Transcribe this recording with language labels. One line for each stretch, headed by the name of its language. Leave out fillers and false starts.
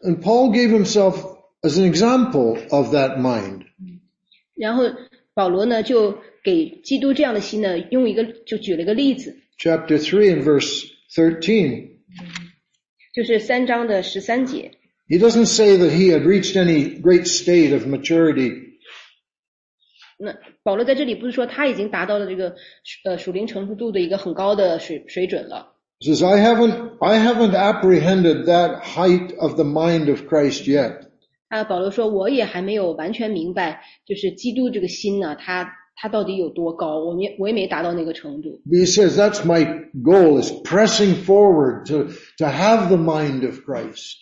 English: And Paul gave himself as an example of that mind.
Chinese: 然后保罗呢就给基督这样的心呢用一个就举了个例子。
English: Chapter 3 and verse 13.
Chinese: 就是三章的十三节。
English: He doesn't say that he had reached any great state of maturity.
Chinese: 那保罗在这里不是说他已经达到了这个属灵成熟度的一个很高的水准了。
English: Says I haven't apprehended that height of the mind of Christ yet.
Chinese: 啊，保罗说我也还没有完全明白，就是基督这个心呢，他到底有多高，我也没达到那个程度。
English: He says that's my goal is pressing forward to have the mind of Christ.